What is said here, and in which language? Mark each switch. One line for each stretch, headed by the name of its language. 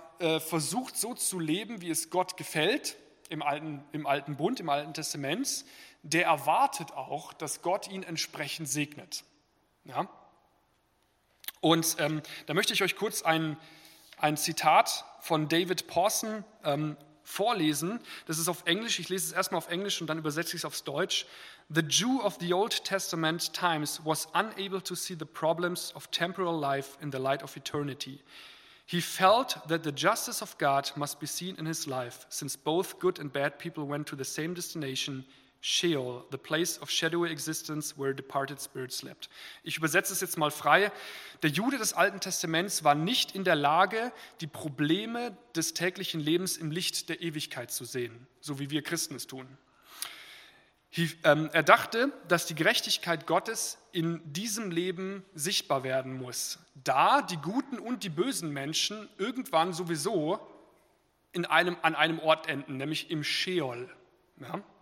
German: versucht so zu leben, wie es Gott gefällt, im Alten Bund, im Alten Testament, der erwartet auch, dass Gott ihn entsprechend segnet. Ja? Und da möchte ich euch kurz ein Zitat von David Pawson vorlesen. Das ist auf Englisch, ich lese es erstmal auf Englisch und dann übersetze ich es aufs Deutsch.
English: The Jew of the Old Testament times was unable to see the problems of temporal life in the light of eternity. He felt that the justice of God must be seen in his life, since both good and bad people went to the same destination, Sheol, the place of shadowy existence where departed spirits slept.
German: Ich übersetze es jetzt mal frei. Der Jude des Alten Testaments war nicht in der Lage, die Probleme des täglichen Lebens im Licht der Ewigkeit zu sehen, so wie wir Christen es tun. Er dachte, dass die Gerechtigkeit Gottes in diesem Leben sichtbar werden muss, da die guten und die bösen Menschen irgendwann sowieso an einem Ort enden, nämlich im Sheol. Ja?